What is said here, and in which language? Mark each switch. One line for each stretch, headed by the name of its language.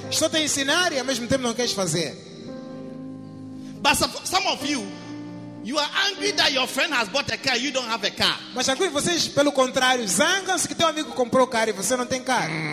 Portuguese: Estou te ensinar e ao mesmo tempo não queres fazer.
English: But some of you are angry that your friend has bought a car, you don't have a car.
Portuguese: Mas alguns de vocês, pelo contrário, zangam-se que teu amigo comprou carro e você não tem carro.